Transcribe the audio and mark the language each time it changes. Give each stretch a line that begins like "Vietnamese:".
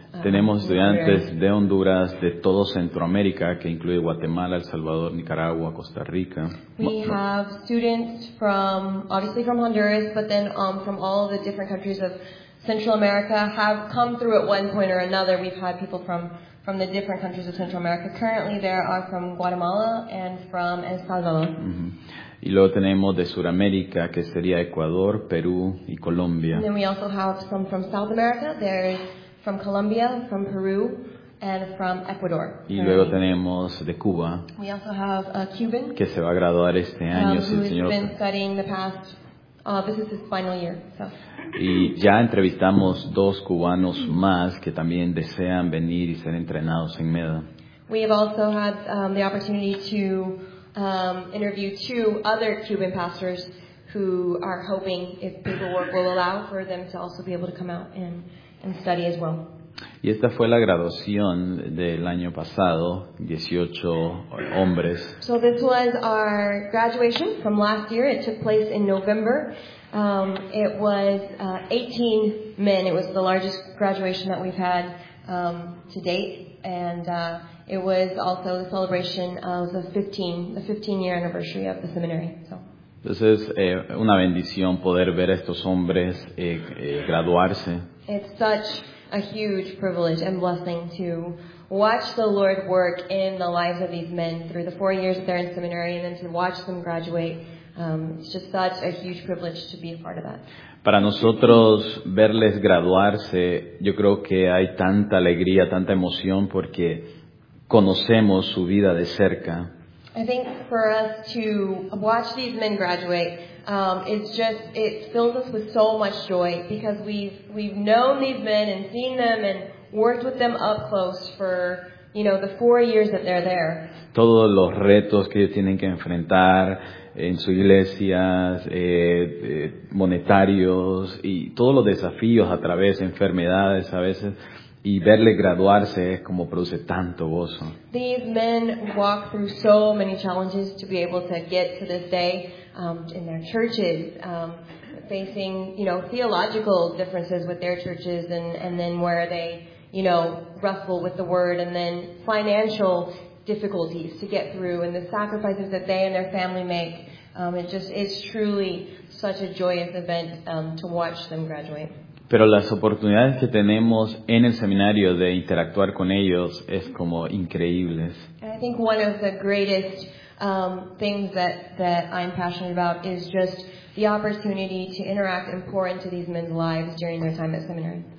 Spanish: Tenemos estudiantes de Honduras, de todo Centroamérica, que incluye Guatemala, El Salvador, Nicaragua, Costa Rica.
English: We have students from, obviously from Honduras, but then from all the different countries of Central America have come through at one point or another. We've had people from the different countries of Central America. Currently there are from Guatemala and from El Salvador. Mm-hmm.
Spanish: Y luego tenemos de Sudamérica, que sería Ecuador, Perú y Colombia.
English: And then we also have some from South America. There's from Colombia, from Peru, and from Ecuador.
Spanish: Y luego tenemos de Cuba.
English: We also have a Cuban
Spanish: que se va a graduar este año, si el Señor.
English: Who has been studying the past. This is his final year. So.
Spanish: Y ya entrevistamos dos cubanos más que también desean venir y ser entrenados en MEDA.
English: We have also had the opportunity to interview two other Cuban pastors who are hoping, if paperwork will allow, for them to also be able to come out and study as well.
Spanish: Y esta fue la graduación del año pasado, 18 hombres.
English: So this was our graduation from last year. It took place in November. It was 18 men. It was the largest graduation that we've had to date. And it was also the celebration of the 15 year anniversary of the seminary. So.
Spanish: Entonces, una bendición poder ver a estos hombres graduarse.
English: It's such a huge privilege and blessing to watch the Lord work in the lives of these men through the 4 years that they're in seminary, and then to watch them graduate. It's just such a huge privilege to be a part of that.
Spanish: Para nosotros verles graduarse, yo creo que hay tanta alegría, tanta emoción, porque conocemos su vida de cerca.
English: I think for us to watch these men graduate, it fills us with so much joy, because we've known these men and seen them and worked with them up close for, you know, the 4 years that they're there.
Spanish: Todos los retos que ellos tienen que enfrentar en su iglesia, monetarios, y todos los desafíos a través de enfermedades a veces, Y verle graduarse es como produce tanto gozo.
English: These men walk through so many challenges to be able to get to this day in their churches, facing, you know, theological differences with their churches, and then where they, you know, wrestle with the word, and then financial difficulties to get through, and the sacrifices that they and their family make. It just is truly such a joyous event to watch them graduate.
Spanish: Pero las oportunidades que tenemos en el seminario de interactuar con ellos es como increíbles.
English: And I think one of the greatest things that I'm passionate about is just the opportunity to interact and pour into these men's lives during their time at seminary.